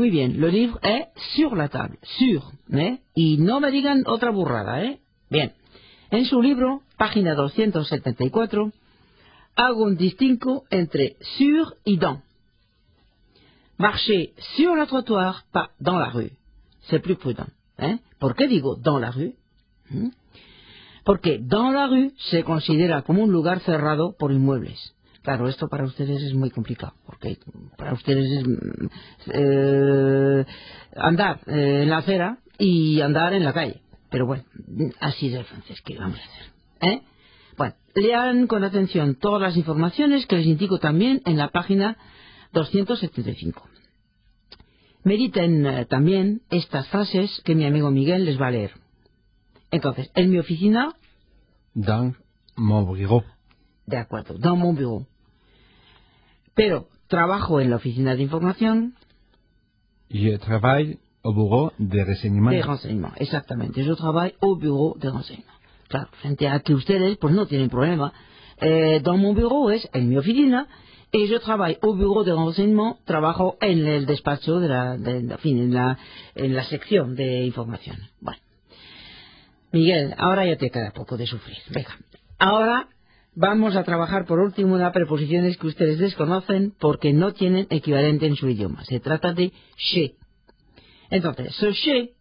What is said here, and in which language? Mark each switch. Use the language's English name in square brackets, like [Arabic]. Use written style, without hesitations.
[Spanish] Muy bien, [French] le livre es sur la table. [Spanish] Sur, Y no me digan otra burrada, Bien. En su libro, página 274, hago un distinto entre sur y dans. [French] Marcher sur le trottoir, pas dans la rue. C'est plus prudent, [Spanish] ¿Por qué digo [French] dans la rue? [Spanish] Porque dans la rue se considera como un lugar cerrado por inmuebles. Claro, esto para ustedes es muy complicado, porque para ustedes es andar en la acera y andar en la calle. Pero bueno, así es el francés, ¿qué vamos a hacer? Bueno, lean con atención todas las informaciones que les indico también en la página 275. Mediten también estas frases que mi amigo Miguel les va a leer. Entonces, en mi oficina... [French] Dans mon bureau. [Spanish] De acuerdo, [French] dans mon bureau. [Spanish] Pero, ¿trabajo en la oficina de información? [French] Je travaille au bureau de renseignement. De renseignement, [Spanish] exactamente. [French] Je travaille au bureau de renseignement. [Spanish] Claro, frente a que ustedes, pues no tienen problema. [French] Dans mon bureau [Spanish] es en mi oficina. [French] Et je travaille au bureau de renseignement. [Spanish] Trabajo en el despacho de la... En la sección de información. Bueno. Miguel, ahora ya te queda poco de sufrir. Venga. Ahora... Vamos a trabajar por último las preposiciones que ustedes desconocen porque no tienen equivalente en su idioma. Se trata de chez. Entonces, ce chez